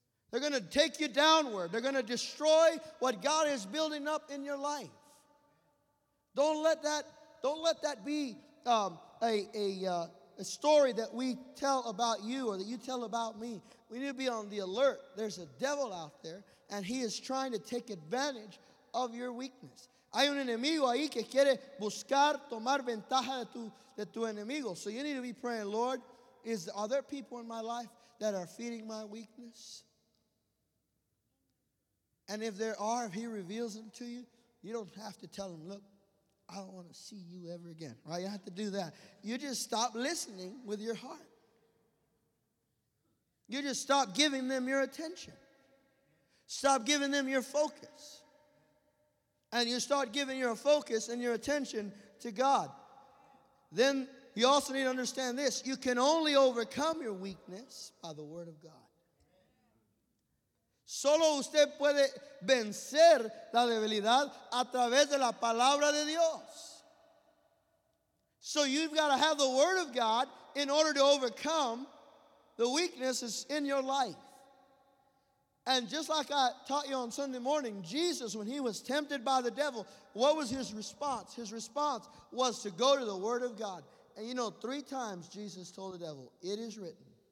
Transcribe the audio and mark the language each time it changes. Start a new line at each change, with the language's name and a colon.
English: They're going to take you downward. They're going to destroy what God is building up in your life. Don't let that be a story that we tell about you or that you tell about me. We need to be on the alert. There's a devil out there. And he is trying to take advantage of your weakness.
Spanish: Hay un enemigo ahí que quiere buscar tomar ventaja de tu enemigo.
English: So you need to be praying, Lord, are there people in my life that are feeding my weakness? And if there are, if he reveals them to you, you don't have to tell him, look, I don't want to see you ever again. Right? You have to do that. You just stop listening with your heart. You just stop giving them your attention. Stop giving them your focus. And you start giving your focus and your attention to God. Then you also need to understand this. You can only overcome your weakness by the word of God.
Spanish: Solo usted puede vencer la debilidad a través de la palabra de Dios.
English: So you've got to have the word of God in order to overcome the weaknesses in your life. And just like I taught you on Sunday morning, Jesus, when he was tempted by the devil, what was his response? His response was to go to the word of God. And you know, three times Jesus told the devil, it is written.